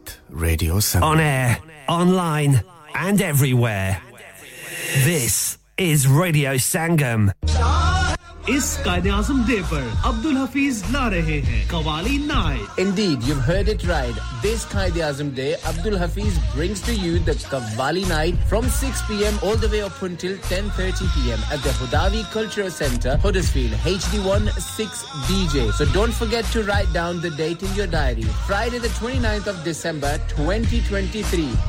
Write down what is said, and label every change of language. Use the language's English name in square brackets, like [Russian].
[English] On air, online, and everywhere. This is Radio Sangam. [Hindi] इस कायदेआजम day पर अब्दुल हफीज ला रहे हैं कवाली नाय. [English] Indeed, you've heard it right. This Qaid-e-Azam Day, Abdul Hafiz brings to you the Qawwali Night from 6 p.m. all the way up until 10:30 p.m. at the Hudawi Cultural Centre, Huddersfield, HD1 6DJ. So don't forget to write down the date in your diary. Friday the 29th of December 2023.